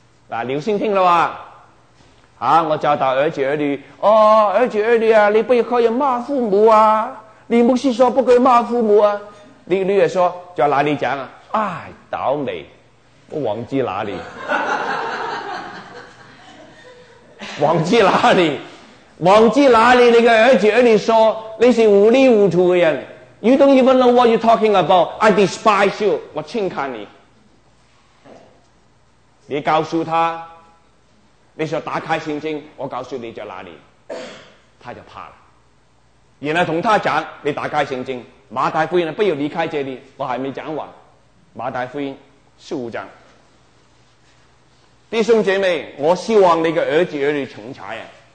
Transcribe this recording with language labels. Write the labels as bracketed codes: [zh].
[zh] 嗱，留心听了吧。啊，我教导儿子儿女，哦，儿子儿女啊，你不可以骂父母啊！你牧师说不可以骂父母啊！你女儿说在哪里讲啊？哎，倒霉，我忘记哪里，忘记哪里，忘记哪里？你的儿子儿女说你是无理无处的人 ， [en] You don't even know what you're talking about. I despise you. [zh] 我轻看你。你告诉他，你说打开圣经，我告诉你在哪里，他就怕了。然后同他讲，你打开圣经，马太福音不要离开这里，我还没讲完。马太福音15章，弟兄姐妹，我希望你的儿子儿女成才啊！